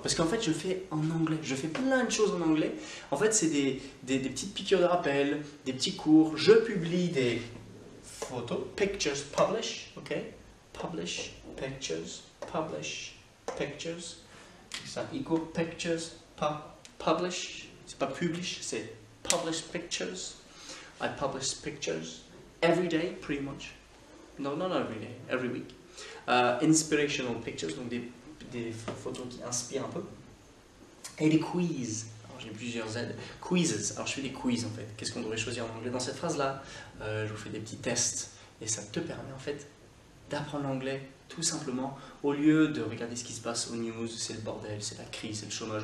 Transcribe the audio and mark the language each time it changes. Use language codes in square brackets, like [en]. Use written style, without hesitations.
[fr] Parce qu'en fait, je fais en anglais. Je fais plein de choses en anglais. En fait, c'est des petites piqûres de rappel, des petits cours. Je publie des photos. [en] Pictures, publish, ok? Publish, pictures, publish, pictures. Ça equal pictures, publish. [fr] C'est pas publish, c'est [en] publish pictures. I publish pictures every day, pretty much. No, not every day, every week. Inspirational pictures, [fr] donc des photos qui inspirent un peu. Et des quiz, alors j'ai plusieurs Z. Quizzes, alors je fais des quiz en fait. Qu'est-ce qu'on devrait choisir en anglais dans cette phrase-là? Je vous fais des petits tests et ça te permet en fait d'apprendre l'anglais tout simplement au lieu de regarder ce qui se passe aux news, c'est le bordel, c'est la crise, c'est le chômage.